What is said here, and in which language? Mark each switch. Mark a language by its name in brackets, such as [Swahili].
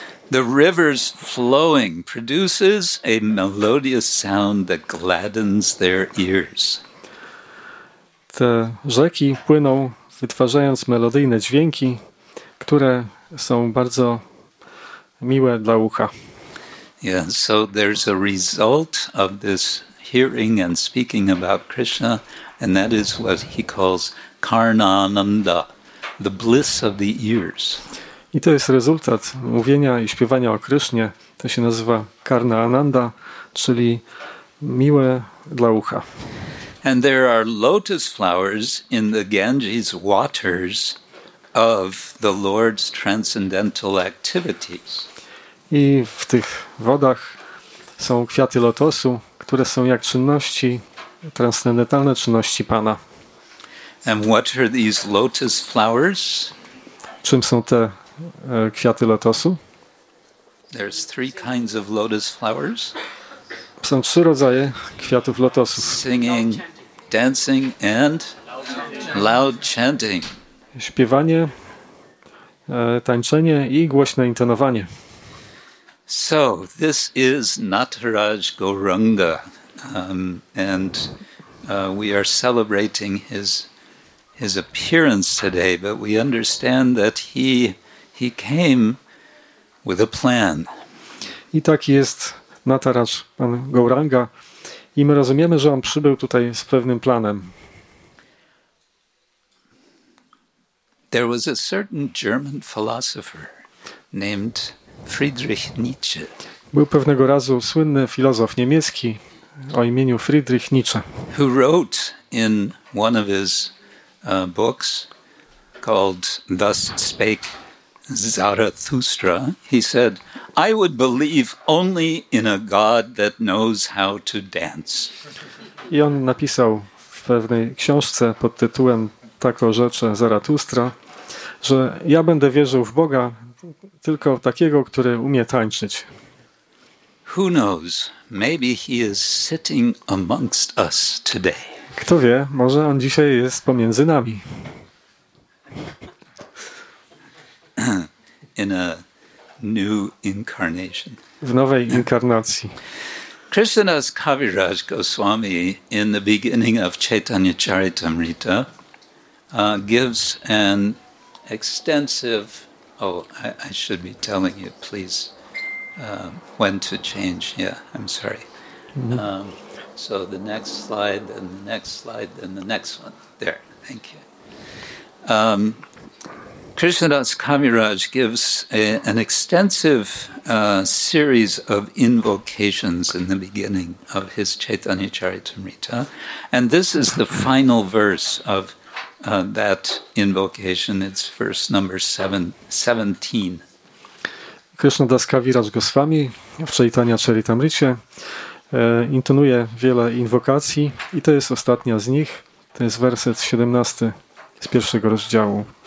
[English] The river's flowing produces a melodious sound that gladdens their ears. [Polish] Te rzeki płyną, wytwarzając melodyjne dźwięki, które są bardzo miłe dla ucha. [English] Yeah, so there's a result of this hearing and speaking about Krishna, and that is what he calls karnananda, the bliss of the ears. [Polish] I to jest rezultat mówienia i śpiewania o Krysznie. To się nazywa karna ananda, czyli miłe dla ucha. [English] And there are lotus flowers in the Ganges waters of the Lord's transcendental activities. [Polish] I w tych wodach są kwiaty lotosu, które są jak czynności, transcendentalne czynności Pana. [English] And what are these lotus flowers? [Polish] Czym są te kwiaty lotosu? [English] There's three kinds of lotus flowers. [Polish] Są trzy rodzaje kwiatów lotosu. [English] Singing, dancing and loud chanting. [Polish] Śpiewanie, tańczenie i głośne intonowanie. [English] So this is Nataraj Gauranga, and we are celebrating his appearance today, but we understand that he came with a plan. [Polish] I taki jest Nataraj, pan Gauranga, i my rozumiemy, że on przybył tutaj z pewnym planem. [English] There was a certain German philosopher named Friedrich Nietzsche. [Polish] Był pewnego razu słynny filozof niemiecki o imieniu Friedrich Nietzsche, [English] who wrote in one of his books called Thus Spake Zarathustra. He said, I would believe only in a God that knows how to dance. [Polish] I on napisał w pewnej książce pod tytułem Tako rzecze Zarathustra, że ja będę wierzył w Boga tylko takiego, który umie tańczyć. [English] Who knows? Maybe he is sitting amongst us today. [Polish] Kto wie, może on dzisiaj jest pomiędzy nami. [English] In a new incarnation. [Polish] W nowej inkarnacji. [English] Krishnadas Kaviraj Goswami in the beginning of Chaitanya Charitamrita gives an extensive I should be telling you, please, when to change. Yeah, I'm sorry. So the next slide, and the next slide, and the next one. There, thank you. Krishnadas Kaviraj gives an extensive series of invocations in the beginning of his Chaitanya Charitamrita. And this is the final verse of that invocation. It's verse number 17. [Polish] Krishnadas Kaviraj Goswami w Chaitanya Charitamricie intonuje wiele inwokacji i to jest ostatnia z nich. To jest werset 17 z pierwszego rozdziału.